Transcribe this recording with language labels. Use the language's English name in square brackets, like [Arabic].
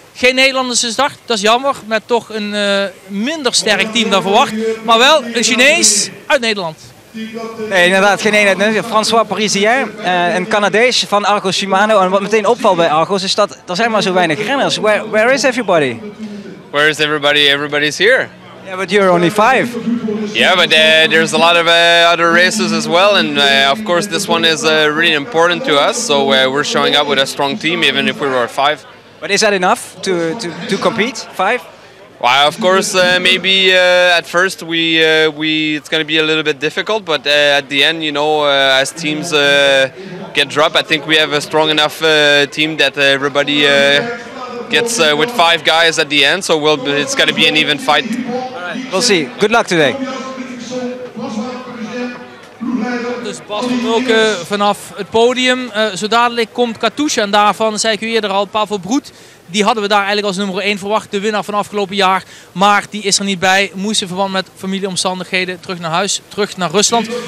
[Dutch] Geen Nederlanders is dacht, dat is jammer. Met toch een minder sterk team dan verwacht. Maar wel een Chinees uit Nederland. Nee, inderdaad, geen eenheid. François Parisien, een Canadees van Argo Shimano. En wat meteen opvalt bij Argo is dat er zijn maar zo weinig renners. [English] Where is everybody? Where is everybody? Everybody's here. Yeah, but you're only five. Yeah, but there's a lot of other races as well. And of course, this one is really important to us. So we're showing up with a strong team, even if we were five. But is that enough to compete, five? Well, of course, maybe at first we it's going to be a little bit difficult, but at the end, you know, as teams get dropped, I think we have a strong enough team that everybody gets with five guys at the end, so it's going to be an even fight. All right. We'll see. Good luck today. [Dutch] Dus Bas van Mulke vanaf het podium. Zo dadelijk komt Katusha en daarvan zei ik u eerder al, Pavel Broet. Die hadden we daar eigenlijk als nummer 1 verwacht, de winnaar van afgelopen jaar. Maar die is er niet bij, moest in verband met familieomstandigheden terug naar huis, terug naar Rusland.